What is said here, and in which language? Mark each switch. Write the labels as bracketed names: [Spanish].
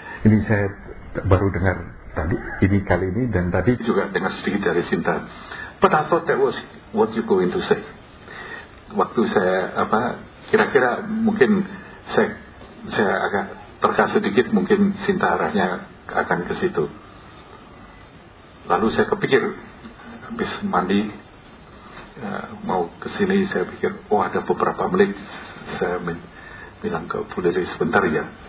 [Indonesian] Ini saya baru dengar tadi, ini kali ini, dan tadi juga dengar sedikit dari Sinta. [English] But I thought that was what you going to say. [Indonesian] Waktu saya apa, kira-kira mungkin saya agak terkas sedikit, mungkin Sinta arahnya akan ke situ. Lalu saya kepikir, habis mandi mau ke sini, saya pikir, oh ada beberapa menit, saya bilang ke Puderi, sebentar ya.